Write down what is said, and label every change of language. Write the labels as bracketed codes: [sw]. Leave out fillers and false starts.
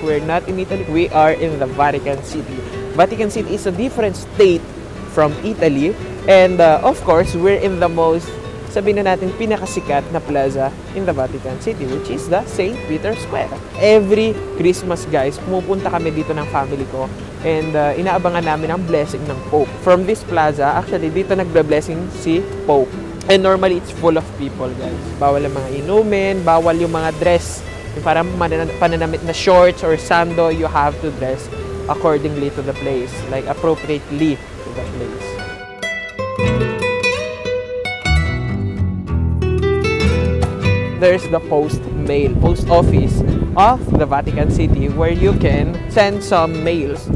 [en] We're not in Italy, we are in the Vatican City. Vatican City is a different state from Italy. And of course, we're in the most, [tl] sabi na natin, pinakasikat na plaza [en] in the Vatican City, which is the St. Peter Square. Every Christmas, guys, [tl] pumupunta kami dito ng family ko. [en] And [tl] inaabangan namin ang [en] blessing ng Pope. From this plaza, actually, [tl] dito nagbe-blessing si [en] Pope. And normally, it's full of people, guys. [tl] Bawal ang mga inumin, bawal yung mga dress. Yung parang pananamit na [en] shorts or sando, you have to dress accordingly to the place. Like, appropriately to the place. There's the post mail, post office of the Vatican City where you can send some mails.